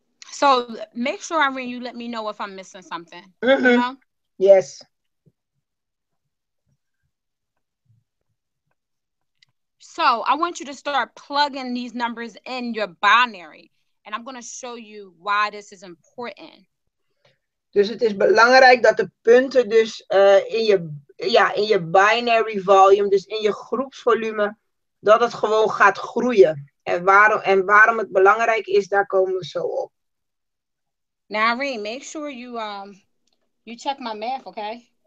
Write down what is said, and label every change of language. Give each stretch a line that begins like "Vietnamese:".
English: So make sure, Irene, you let me know if I'm missing something. Mm-hmm. Yes. So I want you to start plugging these numbers in your binary. And I'm going to show you why this is important.
Dutch: Dus het is belangrijk dat de punten dus in je binary volume, dus in je groepsvolume, dat het gewoon gaat groeien. En waarom het belangrijk is, daar komen we zo op.
English: Now, Irene, make sure you you check my math, okay?